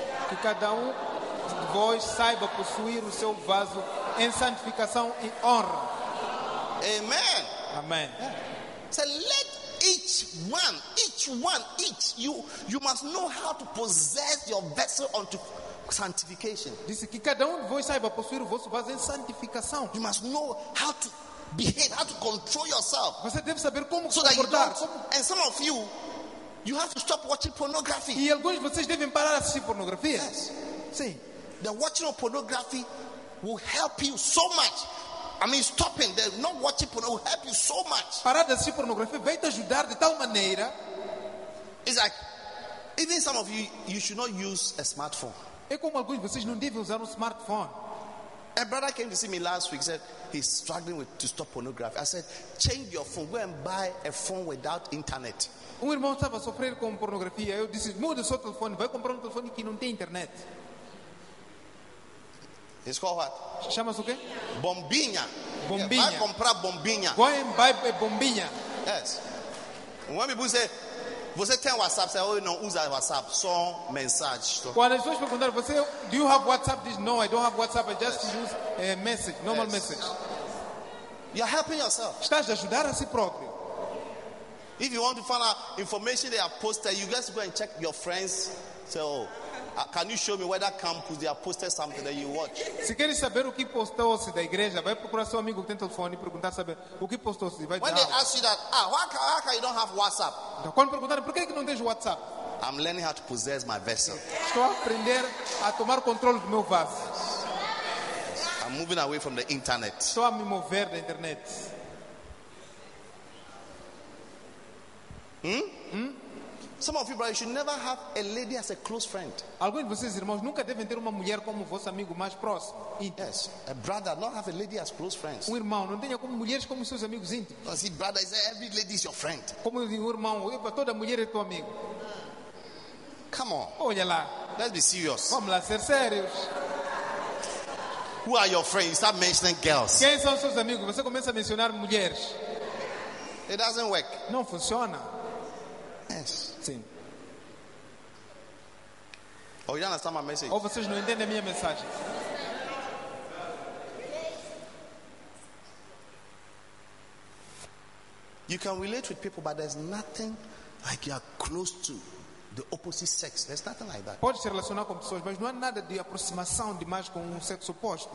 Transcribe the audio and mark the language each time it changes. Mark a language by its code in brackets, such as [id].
[pt] Que cada de vós saiba possuir o seu vaso em santificação e honra. Amen. Amen. [en] Yeah. Said, let each one, you must know how to possess your vessel unto sanctification. [pt] Disse que cada de vós saiba possuir o vosso vaso em santificação. [en] You must know how to behave, how to control yourself. [pt] Você deve saber como so comportar. [en] And some of you have to stop watching pornography. [pt] E alguns de vocês devem parar de assistir pornografia. [en] Yes. [pt] Sim. [en] The watching of pornography will help you so much. I mean, stopping, the not watching pornography will help you so much. [pt] Parar de assistir pornografia vai te ajudar de tal maneira. [en] It's like, even some of you should not use a smartphone. [pt] É como alguns de vocês não devem usar um smartphone. [en] A brother came to see me last week. Said he's struggling to stop pornography. I said, change your phone. Go and buy a phone without internet. [pt] Um irmão estava a sofrer com pornografia. Eu disse, mude seu telefone. Vai comprar um telefone que não tem internet. [en] It's called what? [pt] Chama-se o quê? Bombinha. Bombinha. Vai comprar bombinha. [en] Go and buy a bombinha. Yes. When people say, [pt] você tem WhatsApp? [en] Say, oh, [pt] não usa WhatsApp. Só mensagem. So. Quando as pessoas perguntaram, você, [en] do you have WhatsApp? This? No, I don't have WhatsApp. I just use a message, normal yes. message. You're helping yourself. [pt] Estás a ajudar a si próprio. [en] If you want to find out information they have posted, you just go and check your friends. So, can you show me where that campus they have posted something that you watch? [pt] Se quer saber o que postou-se da igreja, vai procurar seu amigo que tem telefone e perguntar saber o que postou-se. Vai [en] when they out. Ask you that, why can you don't have WhatsApp? [pt] Então, quando perguntaram, por que não tens WhatsApp? [en] I'm learning how to possess my vessel. [pt] Estou a aprender a tomar controle do meu vaso. [en] I'm moving away from the internet. [pt] Estou a me mover da internet. [en] Some of you brothers should never have a lady as a close friend. [pt] Alguns de vocês irmãos nunca devem ter uma mulher como vosso amigo mais próximo. [en] Yes, a brother not have a lady as close friends. [pt] Um irmão não tenha como mulheres como seus amigos íntimos. [en] As brother is every lady is your friend. [pt] Como um irmão, toda mulher é teu amigo. [en] Come on. [pt] Olha lá. [en] Let's be serious. [pt] Vamos lá ser sérios. [en] Who are your friends? Start mentioning girls. [pt] Quem são seus amigos? Você começa a mencionar mulheres. [en] It doesn't work. [pt] Não funciona. [en] Yes. [pt] Sim. [en] Oh, you don't understand my message. [pt] Ou vocês não entendem a minha mensagem. [en] You can relate with people, but there's nothing like you are close to the opposite sex. There's nothing like that. [pt] Pode se relacionar com pessoas, mas não há nada de aproximação demais com um sexo oposto.